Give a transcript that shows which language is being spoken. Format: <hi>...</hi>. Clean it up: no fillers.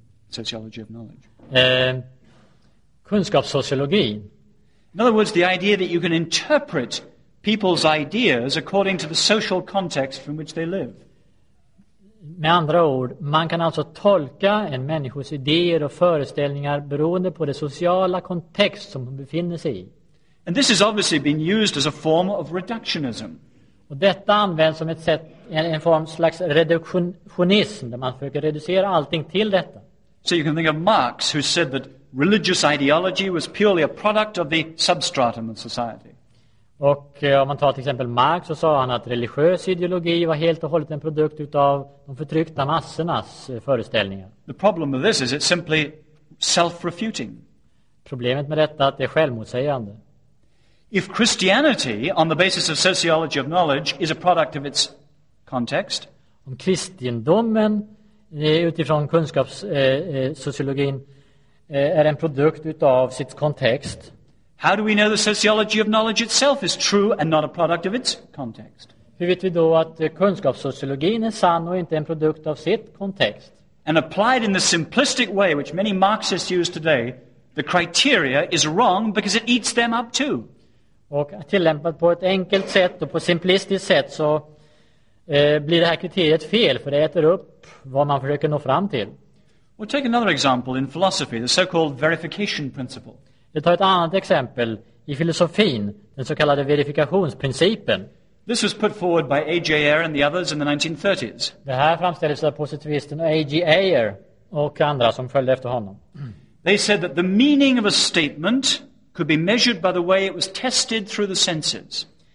<en>sociology of knowledge.</en> <sv>Kunskapssociologi.</sv> <en>In other words, the idea that you can interpret people's ideas according to the social context from which they live.</en> <sv>Med andra ord, man kan alltså tolka en människas idéer och föreställningar beroende på det sociala kontext som hon befinner sig i.</sv> <en>And this has obviously been used as a form of reductionism.</en> <sv>Och detta används som ett sätt, en form slags reduktionism, där man försöker reducera allting till detta.</sv> <en>So you can think of Marx, who said that religious ideology was purely a product of the substratum of society.</en> <sv>Och om man tar till exempel Marx, så sa han att religiös ideologi var helt och hållet en produkt utav de förtryckta massornas föreställningar.</sv> <en>The problem with this is it's simply self-refuting.</en> <sv>Problemet med detta är att det är självmotsägande.</sv> <en>If Christianity on the basis of sociology of knowledge is a product of its context,</en> <sv>om kristendomen utifrån kunskapssociologin är en produkt utav sitt kontext.</sv> <en>How do we know the sociology of knowledge itself is true and not a product of its context?</en> <sv>Hur vet vi då att kunskapssociologin är sann och inte en produkt av sitt kontext?</sv> <en>And applied in the simplistic way which many Marxists use today, the criteria is wrong because it eats them up too.</en> <sv>Och tillämpat på ett enkelt sätt och på simplistiskt sätt så blir det här kriteriet fel, för det äter upp vad man försöker nå fram till.</sv> <en>We'll take another example in philosophy, the so-called verification principle.</en> <sv>Vi tar ett annat exempel i filosofin, den så kallade verifikationsprincipen.</sv> <en>This was put forward by A.J. Ayer and the others in the 1930s.</en> <sv>Det här framställdes av positivisten A.J. Ayer och andra som följde efter honom.</sv> <en>They said that the meaning of a statement could be measured by the way it was tested through the senses.</en>